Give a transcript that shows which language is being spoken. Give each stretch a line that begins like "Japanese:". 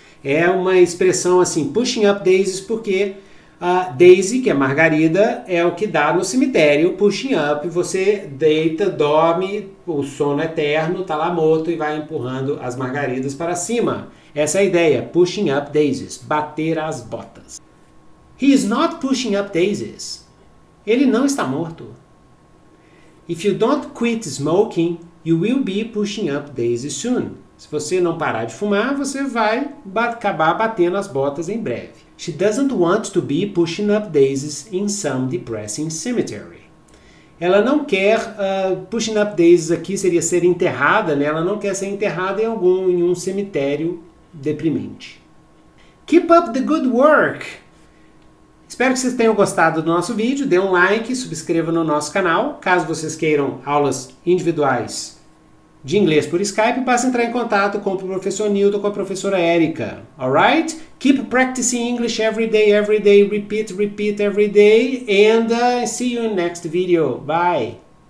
Portuguese: É uma expressão assim, pushing up daisies, porque a daisy, que é margarida, é o que dá no cemitério. Pushing up, você deita, dorme, o sono eterno, tá lá morto e vai empurrando as margaridas para cima. Essa é a ideia, pushing up daisies, bater as botas.
English: He is not pushing up daisies.
Portuguese: Ele não está morto.
English: If you don't quit smoking, you will be pushing up daisies soon.
Portuguese: Se você não parar de fumar, você vai acabar batendo as botas em breve.
English: She doesn't want to be pushing up daisies in some depressing cemetery.
Portuguese: Ela não quer, pushing up daisies aqui seria ser enterrada, né? Ela não quer ser enterrada em um cemitério deprimente.
English: Keep up the good work!
Portuguese: Espero que vocês tenham gostado do nosso vídeo. Dê um like, subscreva no nosso canal. Caso vocês queiram aulas individuais de inglês por Skype, basta entrar em contato com o professor Nildo, com a professora Erika.
English: Alright? Keep practicing English every day, repeat, repeat every day, and see you in next video. Bye!